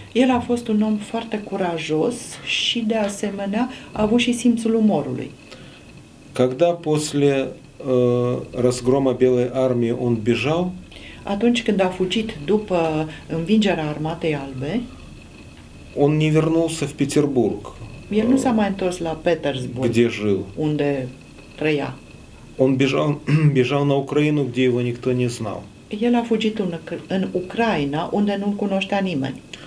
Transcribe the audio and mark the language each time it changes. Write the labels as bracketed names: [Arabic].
[Romanian] El a fost un om foarte curajos și de asemenea a avut și simțul umorului. [Russian] Когда после разгрома Белой армии он бежал, [Romanian] atunci când a fugit după învingerea armatei albe, [Russian] он не вернулся в Петербург. [Romanian] El nu s-a mai întors la Petersburg, [Russian] где жил. [Romanian] Unde trăia. [Russian] Он бежал на Украину, где его никто не знал. [Romanian] El a fugit în Ucraina, unde nu-l cunoștea nimeni.